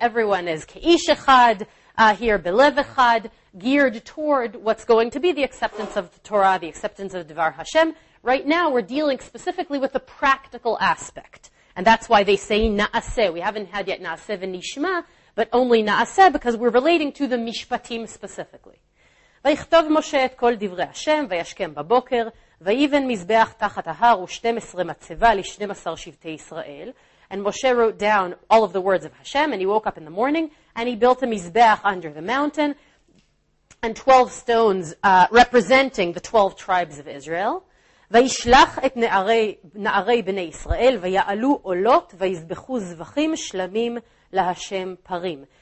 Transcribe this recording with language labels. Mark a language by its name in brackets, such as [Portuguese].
[English] Everyone is [Hebrew] ke'ish echad [English] here, [Hebrew] belev echad, [English] geared toward what's going to be the acceptance of the Torah, the acceptance of Devar Hashem. Right now, we're dealing specifically with the practical aspect, and that's why they say na'aseh. We haven't had yet na'aseh v'nishma, but only na'aseh, because we're relating to the mishpatim specifically. [Hebrew] ויכתוב משה את כל דברי השם, וישכם בבוקר, ויבן מזבח תחת ההר ושתים עשרה מצבה לשנים עשר שבטי ישראל. [English] And Moshe wrote down all of the words of Hashem, and he woke up in the morning, and he built a mizbeach under the mountain, and 12 stones representing the 12 tribes of Israel. [Hebrew] וישלח את נערי בני ישראל ויעלו עולות ויזבחו זבחים שלמים להשם פרים.